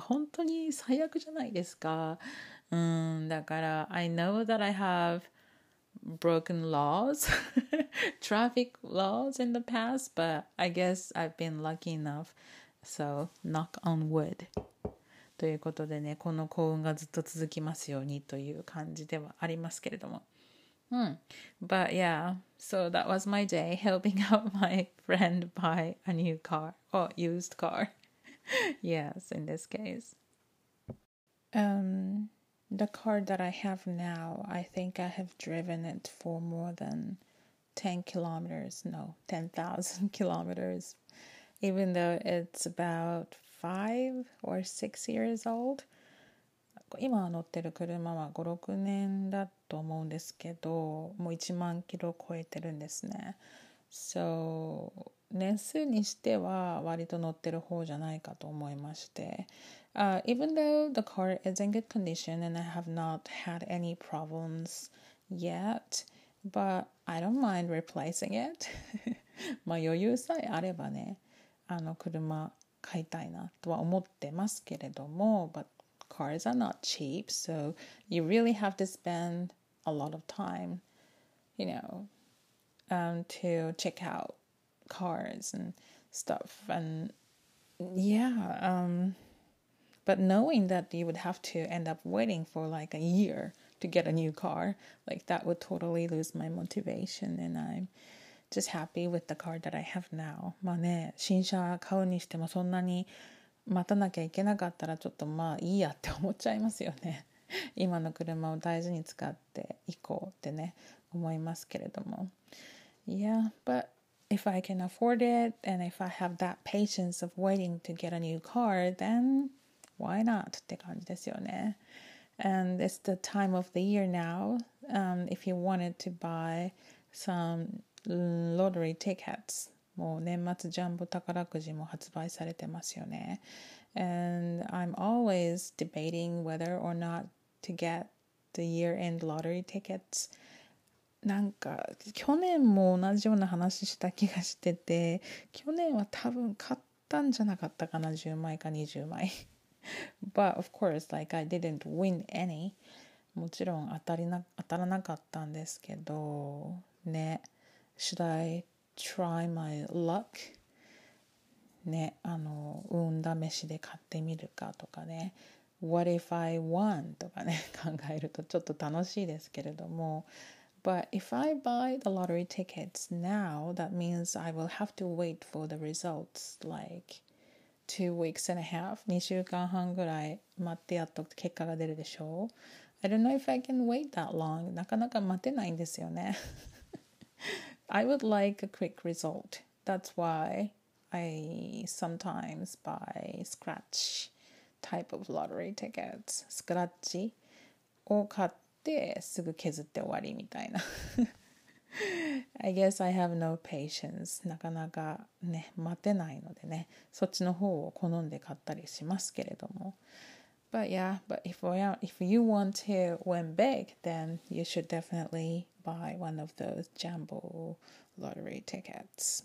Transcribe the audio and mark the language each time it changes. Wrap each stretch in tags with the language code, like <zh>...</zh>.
<ja>本当に最悪じゃないですか。うん、だから、</ja> <en>I know that I have broken laws, traffic laws in the past, but I guess I've been lucky enough, so knock on wood.</en> <ja>ということでね、この幸運がずっと続きますようにという感じではありますけれども。 Hmm.</ja> <en>But yeah, so that was my day helping out my friend buy a new car or used car. Yes, in this case. The car that I have now, I think I have driven it for more than 10,000 kilometers, even though it's about 5 or 6 years old.</en> <ja>今乗ってる車は 5,6 年だと思うんですけど、もう1万キロ超えてるんですね。 So 年数にしては割と乗ってる方じゃないかと思いまして、</ja> <en>Even though the car is in good condition and I have not had any problems yet, but I don't mind replacing it.</en> <ja>まあ余裕さえあればね、車買いたいなとは思ってますけれども、</ja> <en>but Cars are not cheap, so you really have to spend a lot of time, you know, to check out cars and stuff. And yeah, but knowing that you would have to end up waiting for like a year to get a new car, like that would totally lose my motivation. And I'm just happy with the car that I have now.</en> <ja>まあね、新車買うにしてもそんなに待たなきゃいけなかったらちょっとまあいいやって思っちゃいますよね。今の車を大事に使っていこうってね、思いますけれども。</ja> <en>Yeah, but if I can afford it and if I have that patience of waiting to get a new car, then why not?</en> <ja>って感じですよね。</ja> <en>And it's the time of the year now. If you wanted to buy some lottery tickets.</en> <ja>もう年末ジャンボ宝くじも発売されてますよね。</ja> <en>And I'm always debating whether or not to get the year-end lottery tickets.</en> <ja>なんか去年も同じような話した気がしてて、去年は多分買ったんじゃなかったかな、10枚か20枚。</ja> <en>But of course, like I didn't win any.</en> <ja>もちろん当たらなかったんですけど、ね、</ja> <en>should I? Try my luck.</en> <ja>ね、運試しで買ってみるかとかね。</ja> <en>What if I won?</en> <ja>とかね、考えるとちょっと楽しいですけれども。</ja> <en>But if I buy the lottery tickets now, that means I will have to wait for the results like 2 weeks and a half.</en> <ja>2週間半ぐらい待ってやっと結果が出るでしょう。</ja> <en>I don't know if I can wait that long.</en> <ja>なかなか待てないんですよね。</ja> <en>I would like a quick result. That's why I sometimes buy scratch type of lottery tickets.</en> <ja>スクラッチを買ってすぐ削って終わりみたいな。</ja> <en>I guess I have no patience.</en> <ja>なかなかね、待てないのでね、そっちの方を好んで買ったりしますけれども。</ja> <en>But yeah, but if you want to win big, then you should definitely buy one of those jumbo lottery tickets.</en>